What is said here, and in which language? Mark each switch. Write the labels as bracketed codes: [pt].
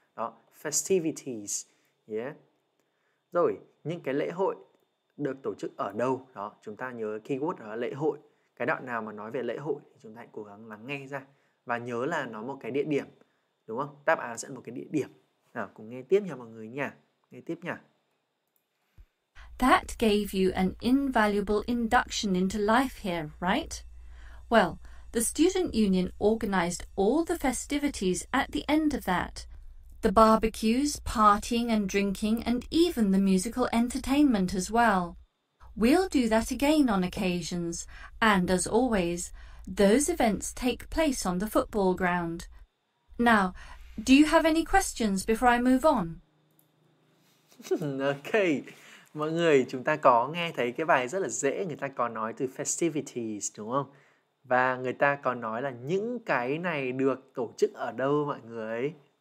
[vi] Đó, festivities. Yeah. Rồi, những cái lễ hội được tổ chức ở đâu? Đó, chúng ta nhớ keyword đó là lễ hội. cái đoạn nào mà nói về lễ hội thì chúng ta hãy cố gắng lắng nghe ra. Và nhớ là nó một cái địa điểm, đúng không? Đáp án sẽ một cái địa điểm. Nào, cùng nghe tiếp nha mọi người nha. Nghe tiếp nha. [en] That gave you an invaluable induction into life here, right? Well, the student union organized all the festivities at the end of that. The barbecues, partying and drinking, and even the musical entertainment as well. We'll do that again on occasions, and as always, those events take place on the football ground. Now, do you have any questions before I move on? [vi] Okay, mọi người, chúng ta có nghe thấy cái bài rất là dễ, người ta có nói từ festivities, đúng không? Và người ta có nói là những cái này được tổ chức ở đâu mọi người?